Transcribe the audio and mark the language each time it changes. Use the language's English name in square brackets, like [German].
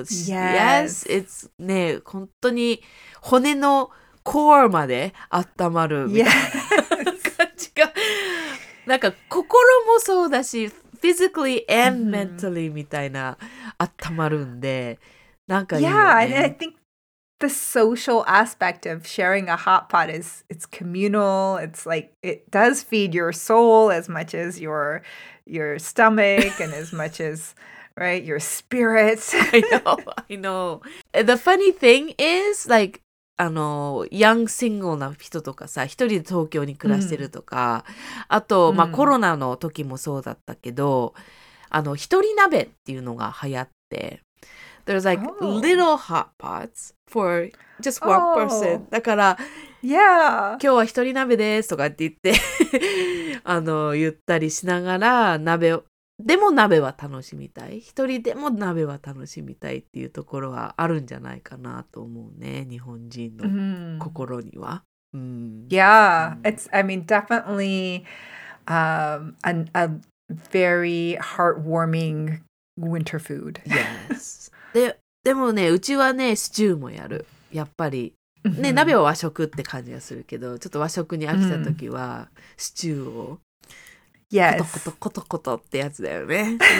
[English] yes, yes it's [Japanese] ね本当に骨のコアまで温まるみたいな、 [English] yes. [Japanese] 感じが、なんか心もそうだし、 [English] physically and mentally [Japanese] みたいな、mm-hmm. 温まるんで、なんかいいよね。 [English] Yeah, and I think the social aspect of sharing a hot pot is it's communal. It's like it does feed your soul as much as your stomach and as much as right your spirit. I know. The funny thing is like. [Japanese] あのヤングシングルな人とかさ、一人で東京に暮らしてるとか、うん、あと、まあ、コロナの時もそうだったけど、うん、あの一人鍋っていうのが流行って [English] There's like、oh. little hot pots for just one、oh. person [Japanese] だから、 [English] yeah. [Japanese] 今日は一人鍋ですとかって言ってあの言ったりしながら鍋でも鍋は楽しみたい。一人でも鍋は楽しみたいっていうところはあるんじゃないかなと思うね。日本人の心には。 [English] Mm-hmm. Yeah, it's, I mean, definitely a very heartwarming winter food. Yes. [Japanese] でもね、うちはね、シチューもやる。やっぱり。ね、鍋は和食って感じがするけど、ちょっと和食に飽きた時はシチューを。 [English] Yes. [Japanese] コトコトコトコトってやつだよね。